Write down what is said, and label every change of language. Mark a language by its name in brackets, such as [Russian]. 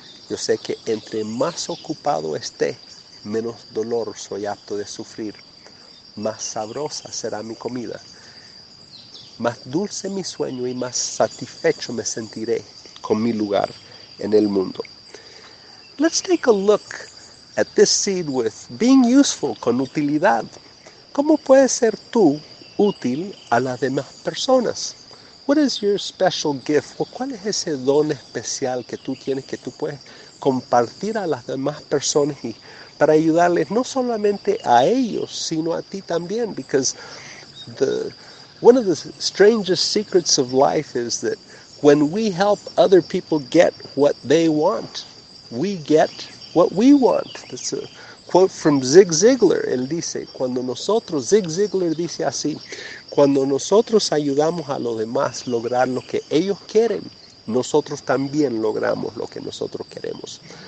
[Spanish] Yo sé que entre más ocupado esté, menos dolor soy apto de sufrir. Más sabrosa será mi comida. Más dulce mi sueño y más satisfecho me sentiré con mi lugar en el mundo. [English] Let's take a look at this seed with being useful, [Spanish] con utilidad. ¿Cómo puedes ser tú útil a las demás personas? [English] What is your special gift? Well, [Spanish] ¿cuál es ese don especial que tú tienes que tú puedes compartir a las demás personas y para ayudarles no solamente a ellos, sino a ti también? [English] Because one of the strangest secrets of life is that when we help other people get what they want, we get what we want. That's a quote from Zig Ziglar. [Spanish] Él dice, Zig Ziglar dice así, cuando nosotros ayudamos a los demás a lograr lo que ellos quieren, nosotros también logramos lo que nosotros queremos.